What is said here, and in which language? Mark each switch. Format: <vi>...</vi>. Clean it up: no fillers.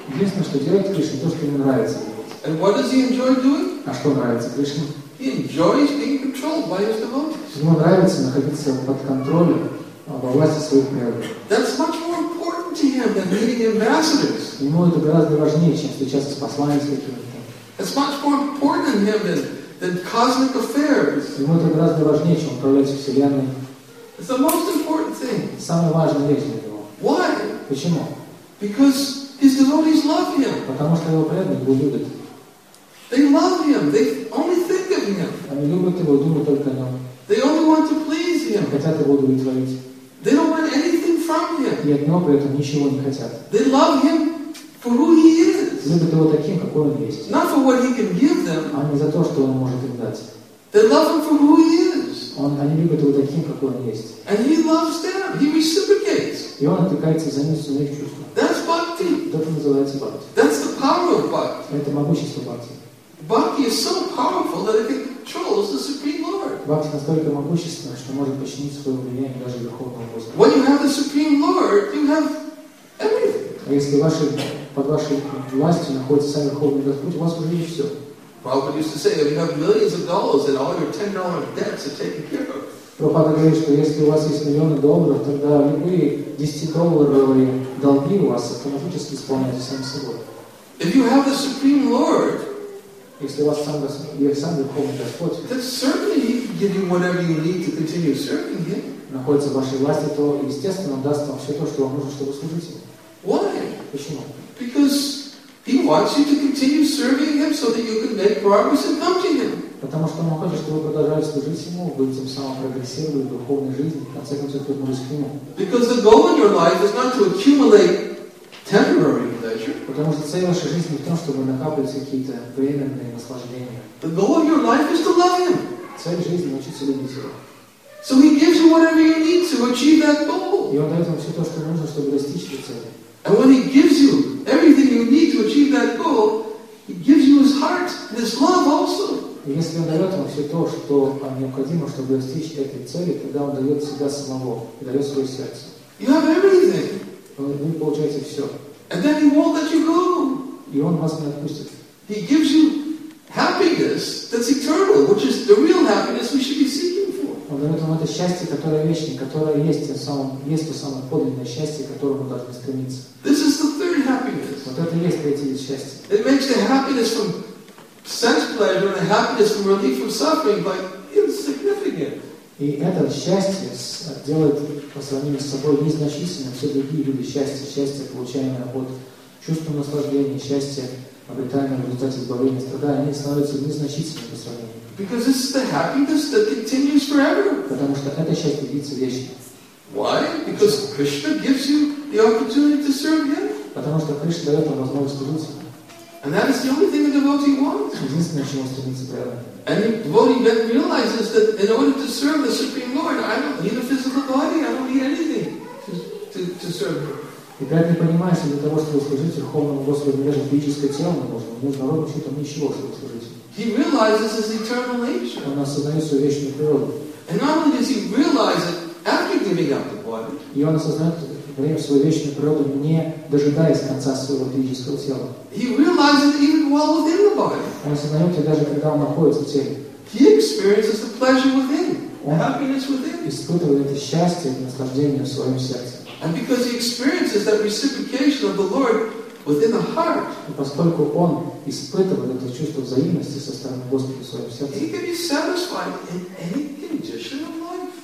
<ru>Единственное, что делает Кришна, то, что ему нравится.</ru> <en>And what does he enjoy doing?</en> <ru>А что нравится Кришне?</ru> <en>He enjoys being controlled by his devotees.</en> <ru>Ему нравится находиться под контролем, во власти своих преданных.</ru> <en>That's much more important to him than meeting ambassadors.</en> <ru>Ему это гораздо важнее, чем встречаться с посланниками.</ru> <en>It's much more important to him than cosmic affairs.</en> <ru>Ему это гораздо важнее, чем управлять вселенной.</ru> <en>It's the most important thing.</en> <ru>Самая важная вещь для него.</ru> <en>Why?</en> <ru>Почему?</ru> <en>Because his devotees love him.</en> <ru>Потому что его преданные его любят.</ru> <en>They love him. They only think of him.</en> <ru>Они любят его, думают только о нем.</ru> <en>They only want to please him.</en> <ru>Хотят его удовлетворить.</ru> <en>They don't want anything from him.</en> <ru>И от него при этом ничего не хотят.</ru> <en>They love him for who he is.</en> <ru>Любят его таким, какой он есть.</ru> <en>Not for what he can give them.</en> <ru>А не за то, что он может им дать.</ru> <en>They love him for who he is.</en> <ru>Они любят его таким, какой он есть.</ru> <en>And he loves them. He reciprocates.</en> <ru>И он откликается за них своими чувствами.</ru> <en>That's bhakti.</en> <ru>Это называется бхакти.</ru> <en>That's the power of bhakti.</en> <ru>Это могущество бхакти.</ru> <en>Bhakti is so powerful that it controls the Supreme Lord.</en> <ru>Бхакти настолько могущественна, что может подчинить свое влияние даже Верховного Господа.</ru> <en>When you have the Supreme Lord, you have everything.</en> <ru>А если под вашей властью находится сам Верховный Господь, у вас уже есть все.</ru> <en>Prabhupada used to say, if you have millions of dollars, then all your $10 debts are taken care of.</en> <ru>Prabhupada говорит, что если у вас есть миллионы долларов, тогда любые 10-долларовые долги у вас автоматически исполняются сами собой.</ru> <en>If you have the Supreme Lord,</en> <ru>если у вас сам Верховный Господь,</ru> <en>then certainly he can give you whatever you need to continue serving him.</en> <ru>Находится в вашей власти, то естественно он даст вам все то, что вам нужно, чтобы служить ему.</ru> <en>Why?</en> <ru>Почему?</ru> <en>Because he wants you to continue serving him so that you can make progress and come to him.</en> <ru>Потому что он хочет, чтобы вы продолжали служить ему, быть тем самым прогрессировать в духовной жизни, в конце концов, вернулись к нему.</ru> <en>Because the goal in your life is not to accumulate temporary pleasure.</en> <ru>Потому что цель вашей жизни в том, чтобы накапливать какие-то временные наслаждения.</ru> <en>The goal of your life is to love him.</en> <ru>Цель жизни – научиться любить его.</ru> <en>So he gives you whatever you need to achieve that goal.</en> <ru>И он дает вам все то, что нужно, чтобы достичь этой цели.</ru> <en>And when he gives you everything you need to achieve that goal, he gives you his heart and his love also.</en> <ru>Если он дает вам все то, что необходимо, чтобы достичь этой цели, тогда он дает себя самого, дает свое сердце.</ru> <en>You have everything.</en> <ru>Вы получаете все.</ru> <en>And then he won't let you go.</en> <ru>И он вас не отпустит.</ru> <en>He gives you happiness that's eternal, which is the real happiness we should be seeking.</en> <ru>Он дает вам это счастье, которое вечное, которое есть то самое подлинное счастье, к которому должны стремиться.</ru> <en>This is the third happiness.</en> <ru>Вот это и есть третье счастье.</ru> <en>It makes the happiness from sense pleasure and the happiness from relief from suffering like insignificant.</en> <ru>И это счастье делает по сравнению с собой незначительным все другие виды счастья. Счастье, получаемое от чувства наслаждения, счастье, обретаемое в результате избавления страданий, они становятся незначительными по сравнению.</ru> <en>Because this is the happiness that continues forever.</en> <ru>Потому что это счастье длится вечно.</ru> <en>Why? Because Krishna gives you the opportunity to serve him.</en> <ru>Потому что Кришна дает вам возможность служить ему.</ru> <en>And that is the only thing a devotee wants.</en> <ru>Единственное, чему стремится преданный.</ru> <en>And the devotee then realizes that in order to serve the Supreme Lord, I don't need a physical body, I don't need anything to serve him.</en> <ru>И преданный понимает, что для того, чтобы служить Верховному Господу, мне даже физическое тело не нужно. Мне нужно ровно что-то ничего, чтобы служить ему.</ru> <en>He realizes his eternal nature.</en> <ru>Он осознает свою вечную природу.</ru> <en>And not only does he realize it after giving up the body.</en> <ru>И он осознает время свою вечную природу, не дожидаясь конца своего физического тела.</ru> <en>He realizes it even while within the body.</en> <ru>Он осознает это даже когда он находится в теле.</ru> <en>He experiences the pleasure within, the happiness within.</en> <ru>Испытывает это счастье, наслаждение в своем сердце.</ru> <en>And because he experiences that reciprocation of the Lord within the heart,</en> <ru>поскольку он испытывает это чувство взаимности со стороны Господа в своем сердце,</ru> <en>he can be satisfied in any condition of life.</en>